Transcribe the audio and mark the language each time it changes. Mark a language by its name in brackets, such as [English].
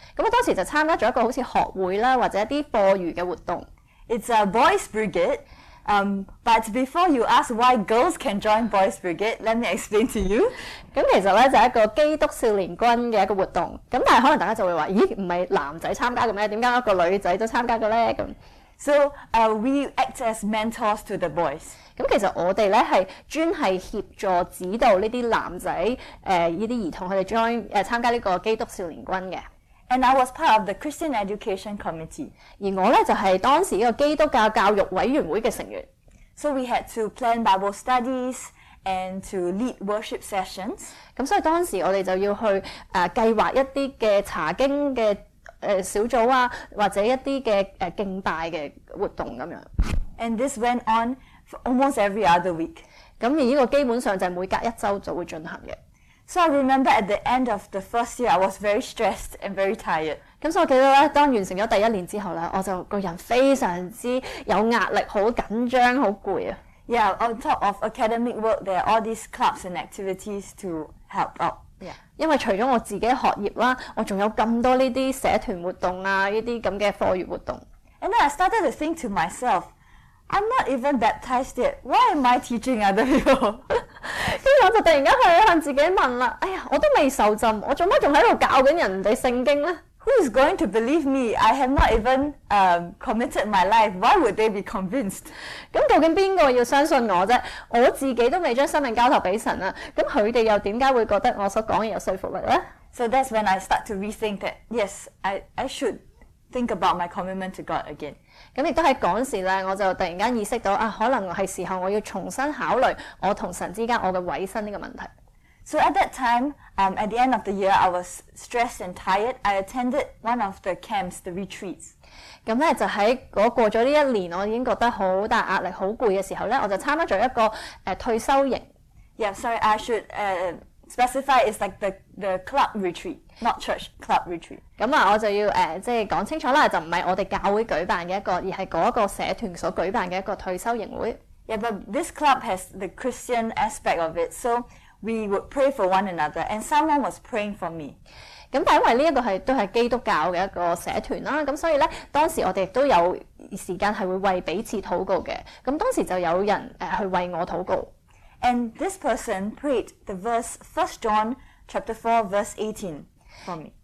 [Cantonese] 咁我當時就參加咗一個好似學會啦，或者一啲課餘嘅活動。 [English] It's a boys' brigade。 But before you ask why girls can join boys' brigade, let me explain to you。 [Cantonese] 咁其實咧就係一個基督少年軍嘅一個活動。咁但係可能大家就會話：咦，唔係男仔參加嘅咩？點解一個女仔都參加嘅咧？咁 [English] ，So we act as mentors to the boys。 [Cantonese] 咁其實我哋咧係專係協助指導呢啲男仔呢啲兒童佢哋參加呢個基督少年軍嘅。 [English] And I was part of the Christian Education Committee。 [Cantonese] 而我咧就係當時呢個基督教教育委員會嘅成員。 [English] So we had to plan Bible studies and to lead worship sessions。 [Cantonese] 咁所以當時我哋就要去計劃一啲嘅查經嘅小組啊，或者一啲嘅敬拜嘅活動咁樣。 [English] And this went on。 Almost every other week。 [Cantonese] 咁而呢个基本上就每隔一周就会进行嘅。 [English] So I remember at the end of the first year, I was very stressed and very tired。 [Cantonese] 咁所以我记得咧，当完成咗第一年之后咧，我就个人非常之有压力，好紧张，好攰啊。 [English] Yeah, on top of academic work, there are all these clubs and activities to help out。 [Cantonese] Yeah。 因为除咗我自己学业啦，我仲有咁多呢啲社团活动啊，呢啲咁嘅课余活动。 [English] And then I started to think to myself。 I'm not even baptized yet. Why am I teaching other people? [Cantonese] 跟住我就突然间去向自己问啦：，哎呀，我都未受浸，我做乜仲喺度教紧人哋圣经咧 [English] who is going to believe me? I have not even committed my life. Why would they be convinced? [Cantonese] 咁究竟邊個要相信我啫？我自己都未將生命交託俾神啦。咁佢哋又點解會覺得我所講嘅有說服力咧？ [English] So that's when I start to rethink that. Yes, I should think about my commitment to God again. [Cantonese] 咁亦都喺嗰時咧，我就突然間意識到啊，可能係時候我要重新考慮我同神之間我嘅委身呢個問題。 [English] So at that time, at the end of the year, I was stressed and tired. I attended one of the camps, the retreats. [Cantonese] 咁咧就喺我過咗呢一年，我已經覺得好大壓力、好攰嘅時候咧，我就參加咗一個退休營。 [English] Yeah, sorry, I should specify it's like the club retreat, not church club retreat. [Cantonese] 咁啊，我就要即係講清楚啦，就唔係我哋教會舉辦嘅一個，而係嗰個社團所舉辦嘅一個退休營會。 [English] Yeah, but this club has the Christian aspect of it, so we would pray for one another, and someone was praying for me. [Cantonese] 咁但因為呢一個係都係基督教嘅一個社團啦，咁所以咧當時我哋都有時間係會為彼此禱告嘅。咁當時就有人去為我禱告。 [English] And this person prayed the verse 1 John chapter 4 verse 18 for me.